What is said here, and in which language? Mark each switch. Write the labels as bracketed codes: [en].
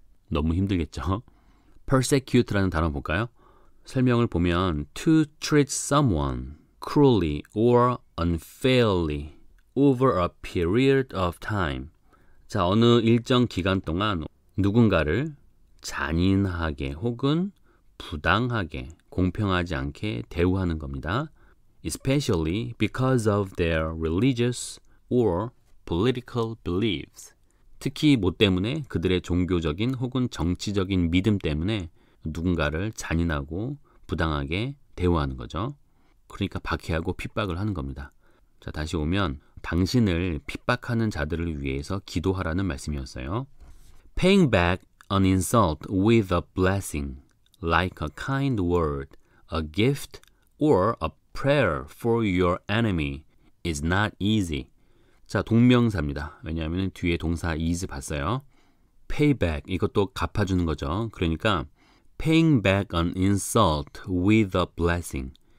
[ko] 너무 힘들겠죠? Persecute라는 단어 볼까요? 설명을 보면 [en] To treat someone cruelly or unfairly over a period of time. [ko] 자, 어느 일정 기간 동안 누군가를 잔인하게 혹은 부당하게 공평하지 않게 대우하는 겁니다. [en] Especially because of their religious or political beliefs. [ko] 특히 뭐 때문에 그들의 종교적인 혹은 정치적인 믿음 때문에 누군가를 잔인하고 부당하게 대우하는 거죠. 그러니까 박해하고 핍박을 하는 겁니다. 자, 다시 오면 당신을 핍박하는 자들을 위해서 기도하라는 말씀이었어요. [en] Paying back an insult with a blessing, like a kind word, a gift, or a prayer for your enemy is not easy. [ko] 자, 동명사입니다. 왜냐하면 뒤에 동사 is 봤어요. Pay back, 이것도 갚아주는 거죠. 그러니까 [en] paying back an insult with a blessing.